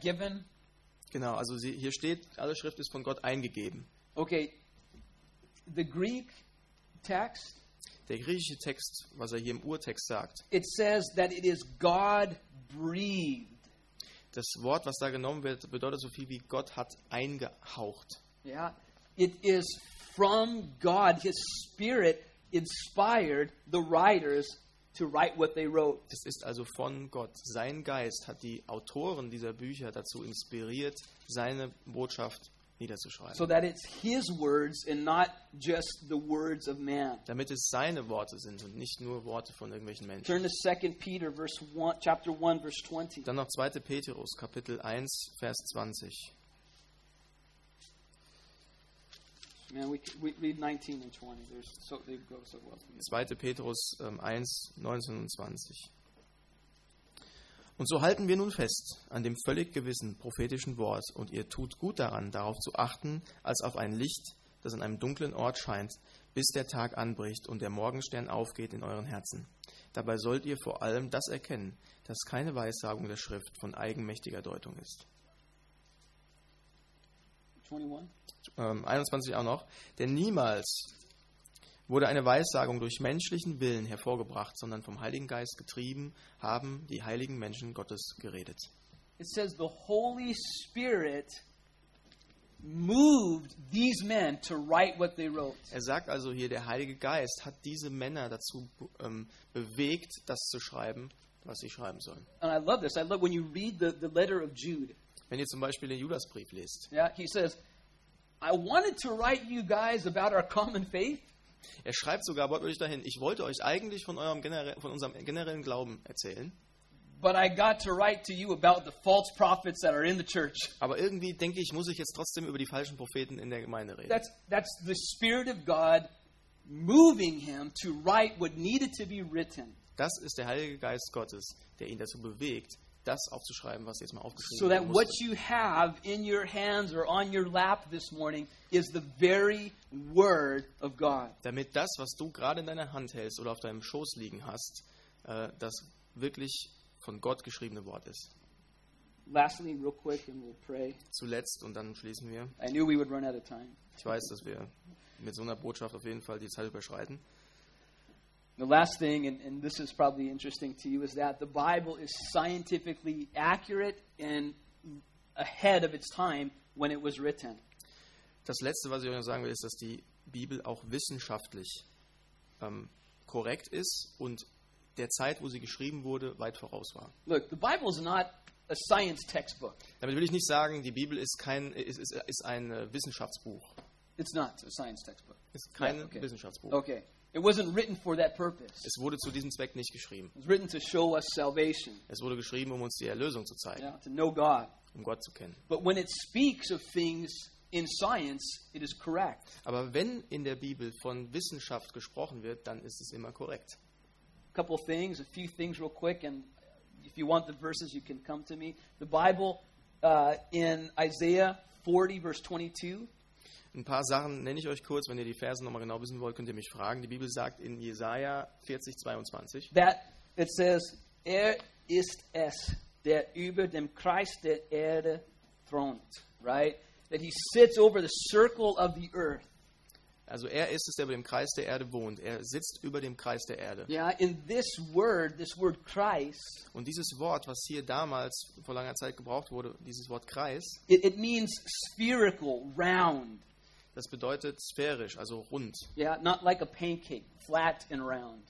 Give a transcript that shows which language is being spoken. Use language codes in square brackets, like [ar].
[en] Given. [de] Genau, also hier steht, alle Schrift ist von Gott eingegeben. [en] Okay. The Greek text. [de] Der griechische Text, was er hier im Urtext sagt. [en] It says that it is God breathed. [de] Das Wort, was da genommen wird, bedeutet so viel wie Gott hat eingehaucht. [en] Yeah. It is from God, his spirit inspired the writers to write what they wrote. [de] Es ist also von Gott. Sein Geist hat die Autoren dieser Bücher dazu inspiriert, seine Botschaft niederzuschreiben. [en] So that it's his words and not just the words of man. [de] Damit es seine Worte sind und nicht nur Worte von irgendwelchen Menschen. [en] Turn to 2 Peter verse 1, chapter 1 verse 20. [de] Dann noch 2. Petrus Kapitel 1 Vers 20. [en] Man, we read 19 and 20. There's so they go so well. [de] 2. Petrus 1, 19 und 20. Und so halten wir nun fest an dem völlig gewissen prophetischen Wort und ihr tut gut daran, darauf zu achten, als auf ein Licht, das an einem dunklen Ort scheint, bis der Tag anbricht und der Morgenstern aufgeht in euren Herzen. Dabei sollt ihr vor allem das erkennen, dass keine Weissagung der Schrift von eigenmächtiger Deutung ist. 21 auch noch. Denn niemals wurde eine Weissagung durch menschlichen Willen hervorgebracht, sondern vom Heiligen Geist getrieben, haben die heiligen Menschen Gottes geredet. [en] It says the Holy Spirit moved these men to write what they wrote. [de] Er sagt also hier, der Heilige Geist hat diese Männer dazu bewegt, das zu schreiben, was sie schreiben sollen. [en] And I love this. I love when you read the letter of Jude. [de] Wenn ihr zum Beispiel den Judasbrief lest. [en] Yeah, he says, I wanted to write you guys about our common faith. [de] Er schreibt sogar wortwörtlich dahin, ich wollte euch eigentlich von eurem unserem generellen Glauben erzählen. [en] But I got to write to you about the false prophets that are in the church. [de] Aber irgendwie denke ich, muss ich jetzt trotzdem über die falschen Propheten in der Gemeinde reden. [en] That's the Spirit of God moving him to write what needed to be written. [de] Das ist der Heilige Geist Gottes, der ihn dazu bewegt, das aufzuschreiben, was jetzt mal aufgeschrieben [en] wurde. So that what you have in your hands or on your lap this morning is the very word of God. [de] Damit das, was du gerade in deiner Hand hältst oder auf deinem Schoß liegen hast, das wirklich von Gott geschriebene Wort ist. [en] Lastly, real quick, and we'll pray. [de] Zuletzt und dann schließen wir. [en] I knew we would run out of time. [de] Ich weiß, dass wir mit so einer Botschaft auf jeden Fall die Zeit überschreiten. [en] The last thing, and this is probably interesting to you, is that the Bible is scientifically accurate and ahead of its time when it was written. [de] Das Letzte, was ich euch noch sagen will, ist, dass die Bibel auch wissenschaftlich korrekt ist und der Zeit, wo sie geschrieben wurde, weit voraus war. [en] Look, the Bible is not a science textbook. [de] Damit will ich nicht sagen, die Bibel ist ein Wissenschaftsbuch. [en] It's not a science textbook. [de] Ist kein Wissenschaftsbuch. [en] Okay. It wasn't written for that purpose. [de] Es wurde zu diesem Zweck nicht geschrieben. [en] It was written to show us salvation. [de] Es wurde geschrieben, um uns die Erlösung zu zeigen. [en] Yeah, to know God. [de] Um Gott zu kennen. [en] But when it speaks of things in science, it is correct. [de] Aber wenn in der Bibel von Wissenschaft gesprochen wird, dann ist es immer korrekt. [en] A couple of things, a few things real quick, and if you want the verses, you can come to me. The Bible in Isaiah 40, verse 22. [de] Ein paar Sachen nenne ich euch kurz, wenn ihr die Verse nochmal genau wissen wollt, könnt ihr mich fragen. Die Bibel sagt in Jesaja 40, 22. [en] That it says, [de] er ist es, der über dem Kreis der Erde thront, right? [en] That he sits over the circle of the earth. [de] Also er ist es, der über dem Kreis der Erde wohnt. Er sitzt über dem Kreis der Erde. [en] Yeah, in this word Christ, [de] und dieses Wort, was hier damals vor langer Zeit gebraucht wurde, dieses Wort Kreis, [en] it means spherical, round. [de] Das bedeutet sphärisch, also rund. [en] Yeah, not like a pancake, flat and round.